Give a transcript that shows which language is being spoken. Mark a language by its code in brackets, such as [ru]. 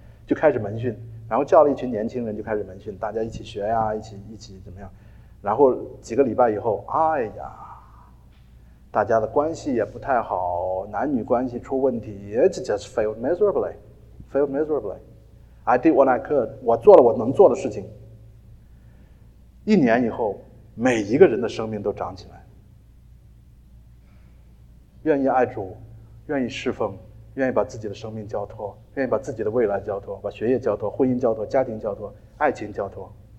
[zh] 就开始门训，然后叫了一群年轻人就开始门训，大家一起学呀，一起怎么样？然后几个礼拜以后，哎呀，大家的关系也不太好，男女关系出问题 ， [en] it just failed miserably, [zh] failed miserably. [en] I did what I could, [zh] 我做了我能做的事情。一年以后，每一个人的生命都长起来，愿意爱主，愿意侍奉，愿意把自己的生命交托，愿意把自己的未来交托，把学业交托，婚姻交托，家庭交托，爱情交托。